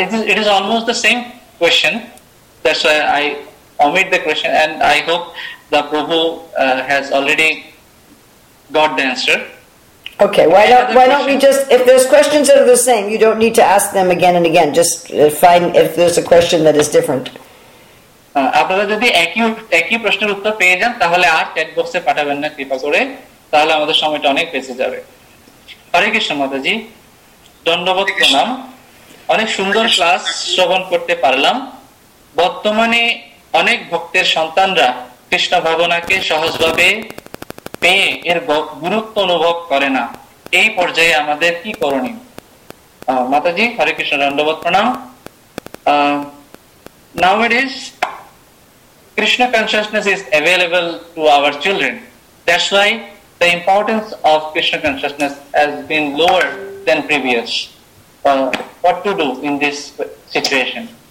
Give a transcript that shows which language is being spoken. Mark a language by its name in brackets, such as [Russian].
[English] It is almost the same question, that's why I omit the question and I hope the প্রভু has already got the answer. Okay, why don't we just, if there's questions that are the same, you don't need to ask them again and again, just find if there's a question that is different. [Bangla] আপনারা যদি একই প্রশ্নের উত্তর পেয়ে যান তাহলে আর chat বক্সে পাঠাবেন না কৃপা করে, তাহলে আমাদের সময়টা অনেক বেঁচে যাবে. হরে কৃষ্ণ মাতাজি, দণ্ডবত প্রণাম. অনেক সুন্দর ক্লাস শ্রবণ করতে পারলাম. বর্তমানে অনেক ভক্তের সন্তানরা কৃষ্ণ ভাবনাকে সহজভাবে পেয়ে এর গুরুত্ব অনুভব করে না, এই পর্যায়ে আমাদের কি করণীয়? মাতাজি, হরে কৃষ্ণ, দণ্ডবত প্রণাম. [English] Nowadays, Krishna consciousness is available to our children. That's why the importance of Krishna consciousness has been lowered than previous. What to do in this situation?